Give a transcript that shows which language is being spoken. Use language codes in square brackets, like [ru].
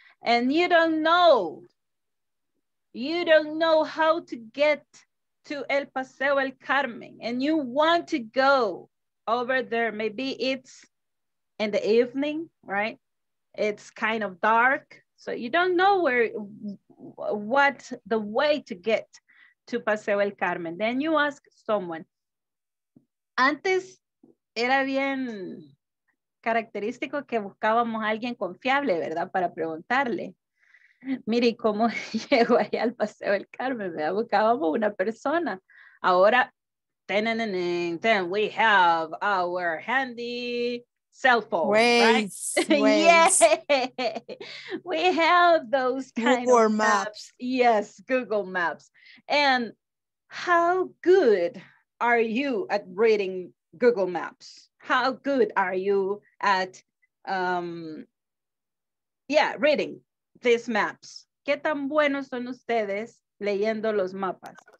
[en] And you don't know. You don't know how to get to El Paseo El Carmen and you want to go over there. Maybe it's in the evening, right? It's kind of dark. So you don't know where, what the way to get to Paseo El Carmen. Then you ask someone. [es] Antes era bien característico que buscábamos a alguien confiable, ¿verdad? Para preguntarle. Mire, ¿cómo llego ahí al Paseo del Carmen? Me buscábamos una persona. [en] Ahora, then we have our handy cell phone. Waze. Yeah. We have those kind Google of maps. Yes, Google Maps. And how good are you at reading Google Maps? How good are you at, reading these maps? [es] ¿Qué tan buenos son ustedes leyendo los mapas?